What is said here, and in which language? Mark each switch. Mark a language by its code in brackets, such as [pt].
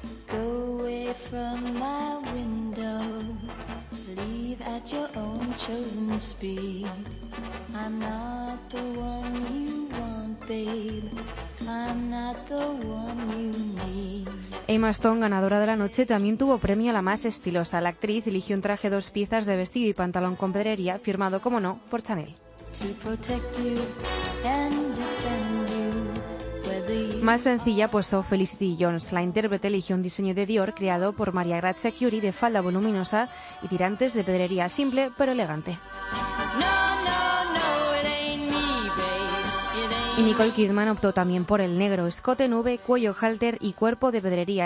[en] Go away from my window, leave at your own chosen speed. I'm not the one you want, babe. I'm not the one you need. [es] Emma Stone, ganadora de la noche, también tuvo premio a la más estilosa. La actriz eligió un traje dos piezas de vestido y pantalón con pedrería, firmado, como no, por Chanel. [en] To protect you and defend you. [es] Más sencilla posó Felicity Jones. La intérprete eligió un diseño de Dior creado por María Grazia Chiuri de falda voluminosa y tirantes de pedrería simple pero elegante. Y Nicole Kidman optó también por el negro, escote en V, cuello halter y cuerpo de pedrería.